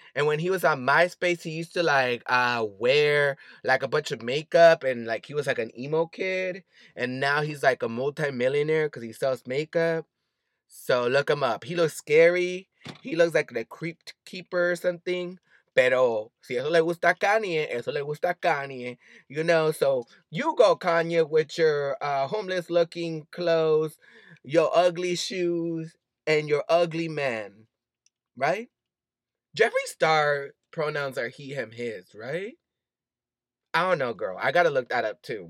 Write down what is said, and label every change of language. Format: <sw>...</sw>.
<en>And when he was on MySpace, he used to, like, wear, like, a bunch of makeup. And, like, he was, like, an emo kid. And now he's, like, a multimillionaire because he sells makeup. So look him up. He looks scary. He looks like the Creep Keeper or something.</en> <es>Pero si eso le gusta a Kanye, eso le gusta a Kanye.</es> <en>You know, so you go, Kanye, with your homeless-looking clothes, your ugly shoes, and your ugly man. Right? Jeffree Star pronouns are he, him, his, right? I don't know, girl. I gotta look that up, too.</en>